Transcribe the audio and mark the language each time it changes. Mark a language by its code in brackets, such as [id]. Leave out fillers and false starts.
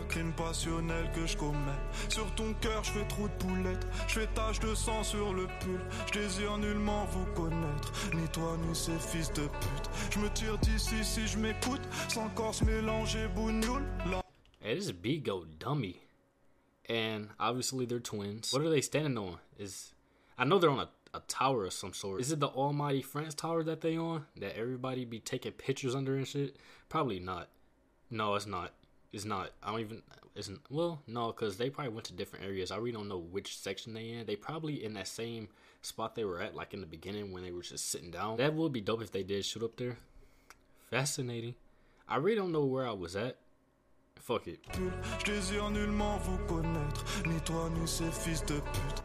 [fr] Crime passionnel que je commets. Sur ton cœur, je fais trop de poulettes. Je fais tache de sang sur le pull. Je désire nullement vous connaître. Ni toi, ni ces fils de pute. Je me tire d'ici si je m'écoute. Sans corse mélanger bougnoule. [en] Hey, this is Bigo Dummy. And obviously, they're twins. What are they standing on? I know they're on a tower of some sort. Is it the Almighty France tower that they on? That everybody be taking pictures under and shit? Probably not. No, it's not. It's not. I don't even. Because they probably went to different areas. I really don't know which section they in. They probably in that same spot they were at, like in the beginning when they were just sitting down. That would be dope if they did shoot up there. Fascinating. I really don't know where I was at. Fuck it. [fr] Je désire nullement vous connaître, ni toi ni ces fils de pute.